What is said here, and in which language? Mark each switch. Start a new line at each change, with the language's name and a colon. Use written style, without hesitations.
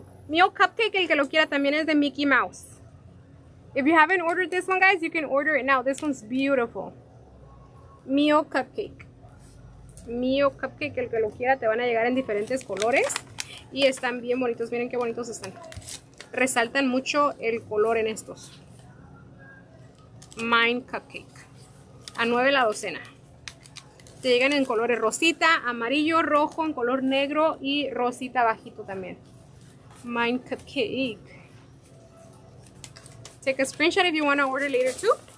Spanish: Mio Cupcake, el que lo quiera, también es de Mickey Mouse.
English: If you haven't ordered this one, guys, you can order it now. This one's beautiful. Mio Cupcake.
Spanish: Mio Cupcake, el que lo quiera, te van a llegar en diferentes colores. Y están bien bonitos. Miren qué bonitos están. Resaltan mucho el color en estos. Mine Cupcake. A 9 la docena. Te llegan en colores rosita, amarillo, rojo, en color negro y rosita bajito también.
English: Mine Cupcake. Take a screenshot if you want to order later too.